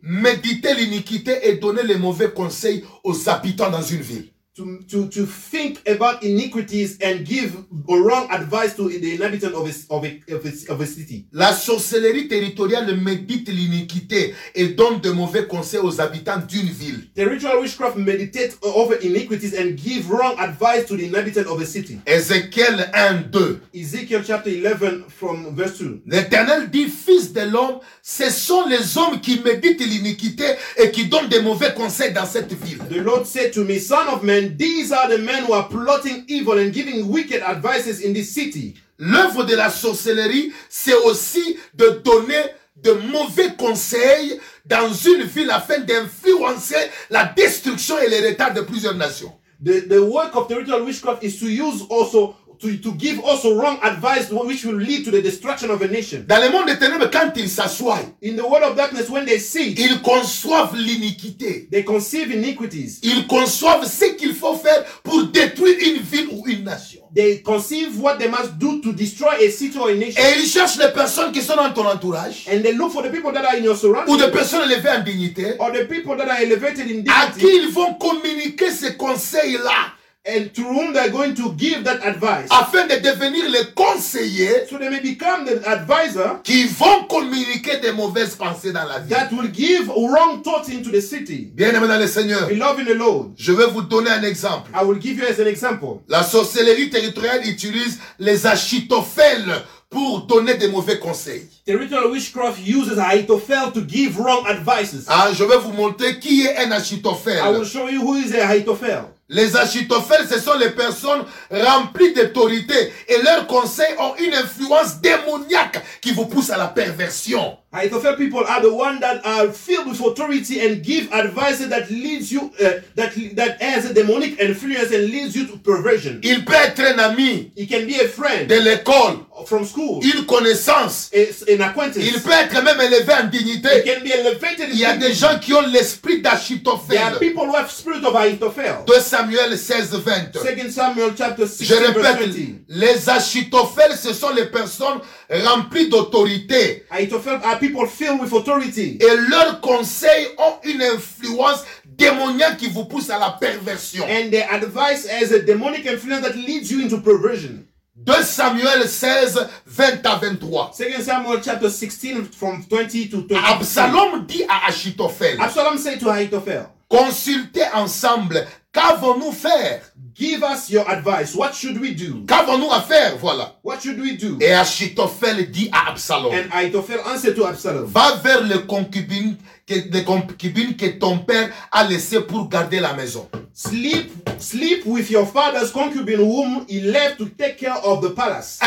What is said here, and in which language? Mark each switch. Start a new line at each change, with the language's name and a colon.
French: méditer l'iniquité et donner les mauvais conseils aux habitants dans une ville.
English: To think about iniquities and give wrong advice to the inhabitants of a city.
French: La sorcellerie territoriale médite l'iniquité et donne de mauvais conseils aux habitants d'une ville.
English: Territorial witchcraft meditates over iniquities and give wrong advice to the inhabitants of a city.
French: Ezekiel 1, 2.
English: Ezekiel chapter 11 from verse 2.
French: L'Éternel dit, fils de l'homme, ce sont les hommes qui méditent l'iniquité et qui donnent de mauvais conseils dans cette ville.
English: The Lord said to me, son of man, and these are the men who are plotting evil and giving wicked advices in this city.
French: L'œuvre de la sorcellerie, c'est aussi de donner de mauvais conseils dans une ville afin d'influencer la destruction et les retards de plusieurs nations.
English: The work of territorial witchcraft is to use also to give also wrong advice which will lead to the destruction of a nation.
French: Dans le monde des ténèbres, quand ils s'assoient,
English: in the world of darkness, when they see,
French: ils conçoivent l'iniquité.
English: They conceive iniquities.
French: Ils conçoivent ce qu'il faut faire pour détruire une ville ou une nation.
English: They conceive what they must do to destroy a city or a nation.
French: Et ils cherchent les personnes qui sont dans ton entourage.
English: And they look for the people that are in your surroundings.
French: Ou des personnes élevées en dignité.
English: Or the people that are elevated in dignity.
French: À qui ils vont communiquer ces conseils-là.
English: And to whom they are going to give that advice.
French: Afin de devenir les conseillers.
English: So they may become the advisor.
French: Qui vont communiquer des mauvaises pensées dans la vie.
English: That will give wrong thoughts into the city.
French: Bien-aimé dans le Seigneur.
English: Beloved in the Lord.
French: Je vais vous donner un exemple.
English: I will give you as an example.
French: La sorcellerie territoriale utilise les achitophèles pour donner des mauvais conseils.
English: Territorial witchcraft uses Ahithophel to give wrong advices.
French: Ah, je vais vous montrer qui est un Ahithophel.
English: I will show you who is an Ahithophel.
French: Les Ahithophels, ce sont les personnes remplies d'autorité et leurs conseils ont une influence démoniaque qui vous pousse à la perversion.
English: Ahithophel people are the ones that are filled with authority and give advice that leads you that has a demonic influence and leads you to perversion.
French: Il peut être un ami.
English: He can be a friend.
French: De l'école.
English: From school.
French: Une connaissance.
English: An acquaintance.
French: Il peut être même élevé en dignité.
English: He can be elevated.
French: Il y a des gens qui ont l'esprit d'Ahithophel.
English: There are people who have spirit of Ahithophel.
French: 2 Samuel 16, 20.
English: 2 Samuel chapter 16,
French: je répète, les Ahithophels, ce sont les personnes remplies d'autorité.
English: Ahithophel are people filled with authority.
French: Et leurs conseils ont une influence démoniaque qui vous pousse à la perversion.
English: And their advice has a demonic influence that leads you into perversion.
French: 2 Samuel 16, 20 à 23.
English: 2 Samuel chapter 16, from 20 to 23.
French: Absalom dit à Ahithophel.
English: Absalom said to Ahithophel.
French: Consultez ensemble. Qu'avons-nous faire?
English: Give us your advice. What should we do?
French: Qu'avons-nous à faire? Voilà.
English: What should we do?
French: Et Ahithophel dit à Absalom.
English: And Ahithophel answered to Absalom.
French: Va vers les concubines que ton père a laissées pour garder la maison.
English: Sleep with your father's concubine whom he left to take care of the palace.